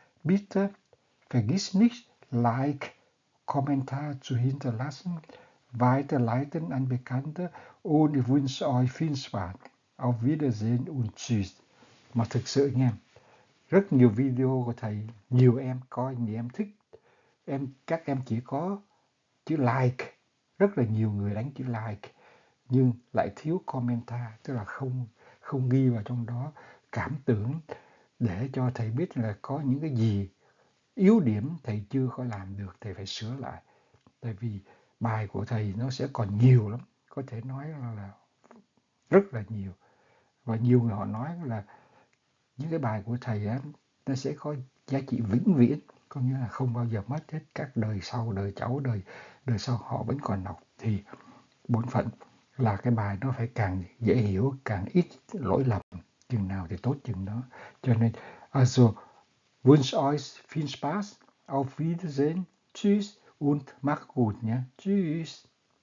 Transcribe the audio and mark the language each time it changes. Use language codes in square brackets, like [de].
[de] Bitte vergiss nicht, like, Kommentar zu hinterlassen, weiterleiten an Bekannte und ich wünsche euch viel Spaß. Auf Wiedersehen und tschüss. [vi] Mà thực sự nha, rất nhiều video của thầy, nhiều em coi, nhiều em thích. Các em chỉ có chữ like, rất là nhiều người đánh chữ like, nhưng lại thiếu commenta, tức là không không ghi vào trong đó cảm tưởng để cho thầy biết là có những cái gì yếu điểm thầy chưa có làm được, thầy phải sửa lại. Tại vì bài của thầy nó sẽ còn nhiều lắm, có thể nói là rất là nhiều. Và nhiều người họ nói là những cái bài của thầy á, nó sẽ có giá trị vĩnh viễn, có nghĩa là không bao giờ mất hết, các đời sau, đời cháu, đời đời sau họ vẫn còn đọc. Thì bổn phận là cái bài nó phải càng dễ hiểu, càng ít lỗi lầm, chừng nào thì tốt chừng đó. Cho nên, [de] also, wünsche euch viel Spaß, auf Wiedersehen, tschüss und mach gut, nhé. Tschüss.